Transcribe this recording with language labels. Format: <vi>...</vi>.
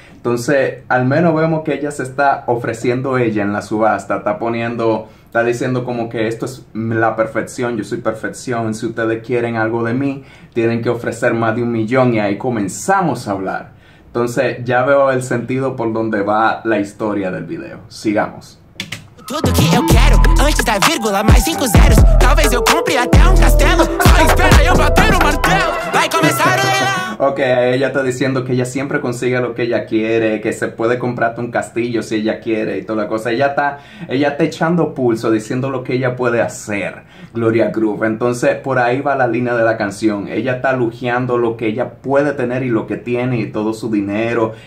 <es>Entonces, al menos vemos que ella se está ofreciendo ella en la subasta. Está diciendo como que esto es la perfección, yo soy perfección. Si ustedes quieren algo de mí, tienen que ofrecer más de un millón y ahí comenzamos a hablar. Entonces, ya veo el sentido por donde va la historia del video. Sigamos.</es> <pt>Tudo que eu quero, antes da vírgula, mais 5 zeros. Talvez eu compre até castelo. Só espera eu bater o martelo. Vai começar o leilão.</pt> <es>Ok, ella está diciendo que ella siempre consigue lo que ella quiere, que se puede comprarte un castillo si ella quiere y toda la cosa. Ella está echando pulso, diciendo lo que ella puede hacer, Gloria Groove. Entonces, por ahí va la línea de la canción. Ella está lujeando lo que ella puede tener y lo que tiene y todo su dinero.</es>